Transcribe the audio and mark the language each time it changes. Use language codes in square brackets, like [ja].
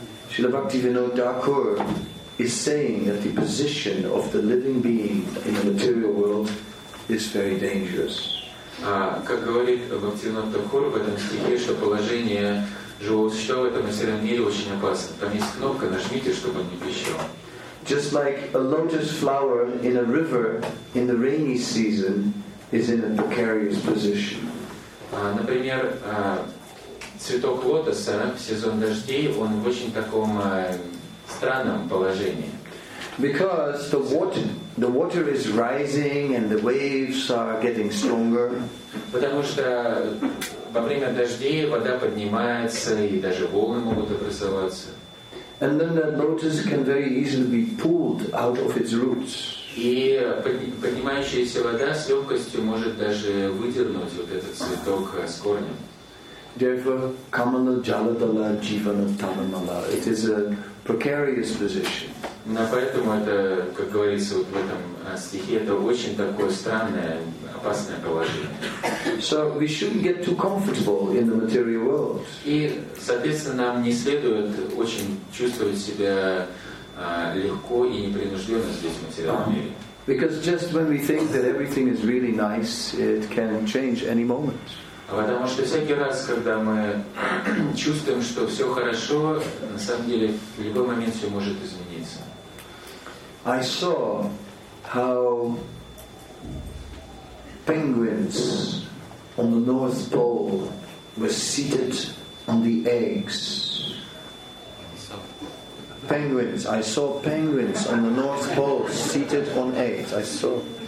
[en] Srila Bhaktivinoda Thakur is saying that the position of the living being in the material world is very dangerous. [ru] Как говорит Бхактивинода Такур в этом стихе, что положение живого существа в этом материальном мире очень опасно. Там есть кнопка, нажмите, чтобы он не пищал. [en] Just like a lotus flower in a river in the rainy season is in a precarious position. [ru] Например, цветок лотоса в сезон дождей, он в очень таком странном положении. [en] Because the water is rising and the waves are getting stronger. [ru] Потому что во время дождей вода поднимается и даже волны могут образоваться. [en] And then that lotus can very easily be pulled out of its roots. [ru] И поднимающаяся вода с легкостью может даже выдернуть вот этот цветок с корнем. [en] Therefore, [bn] kamala jaladala jivana talamala. [en] It is a precarious position. [ru] Но поэтому это, как говорится вот в этом стихе, это очень такое странное, опасное положение. [en] So we shouldn't get too comfortable in the material world. [ru] И, соответственно, нам не следует очень чувствовать себя легко и непринужденно здесь, в материальном мире. [en] Because just when we think that everything is really nice, it can change any moment. [ru] Потому что всякий раз, когда мы чувствуем, что все хорошо, на самом деле в любой момент все может измениться. [en] I saw how penguins on the North Pole were seated on the eggs. Penguins. I saw penguins on the North Pole seated on eggs. I saw.